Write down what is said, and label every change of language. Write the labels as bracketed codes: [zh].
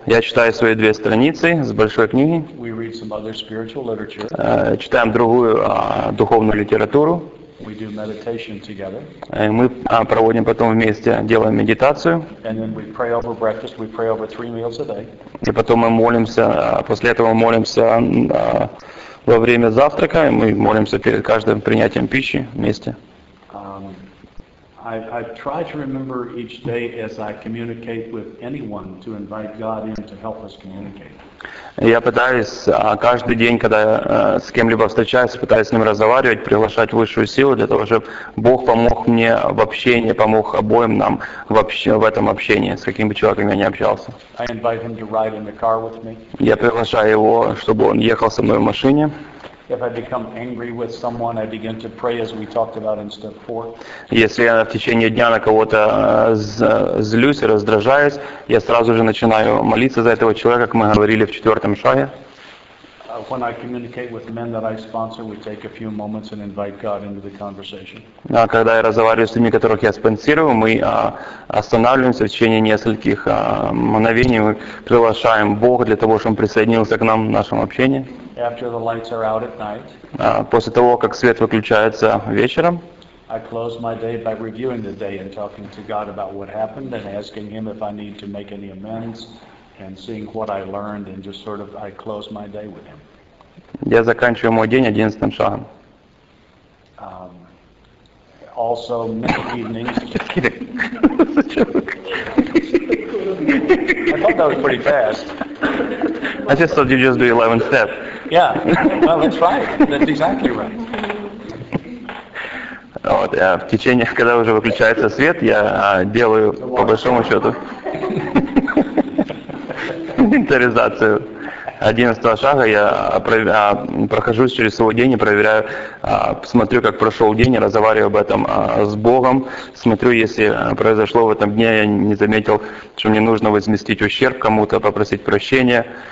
[ru] Я читаю свои две страницы с большой книги. [en] We read some other spiritual literature. [ru] Читаем другую духовную литературу. [en] We do meditation together. [ru] И мы проводим потом вместе, делаем медитацию. [en] And then we pray over breakfast. We pray over three meals a day. [ru] И потом мы молимся, после этого молимся во время завтрака, и мы молимся перед каждым принятием пищи вместе. [en] I try to remember each day as I communicate with anyone to invite God in to help us communicate. [ru] Я пытаюсь каждый день, когда я с кем-либо встречаюсь, пытаюсь с ним разговаривать, приглашать высшую силу для того, чтобы Бог помог мне в общении, помог обоим нам в этом общении, с каким бы человеком я ни общался. [en] I invite him to ride in the car with me. [ru] Я приглашаю его, чтобы он ехал со мной в машине. [en] If I become angry with someone, I begin to pray, as we talked about in step 4. [ru] Если я в течение дня на кого-то злюсь и раздражаюсь, я сразу же начинаю молиться за этого человека, как мы говорили в 4-м шаге. [en] When I communicate with men that I sponsor, we take a few moments and invite God into the conversation. [ru] Когда я разговариваю с людьми, которых я спонсирую, мы останавливаемся в течение нескольких мгновений, мы приглашаем Бога для того, чтобы он присоединился к нам в нашем общении. [en] After the lights are out at night, [ru] после того, как свет выключается вечером, [en] I close my day by reviewing the day and talking to God about what happened and asking him if I need to make any amends. And seeing what I learned, and just sort of, I close my day with him. [ru] Я заканчиваю мой день 11-м шагом. [en] Also, many evenings. Just kidding. I thought that was pretty fast. I just thought you just do 11 steps. Yeah. Well, that's right. That's exactly right. [ru] Вот, я в течение, когда уже выключается свет, я делаю по большому счету. Инвентаризацию 11-го шага я прохожусь через свой день и проверяю, смотрю, как прошел день, разговариваю об этом с Богом, смотрю, если произошло в этом дне, я не заметил, что мне нужно возместить ущерб кому-то, попросить прощения.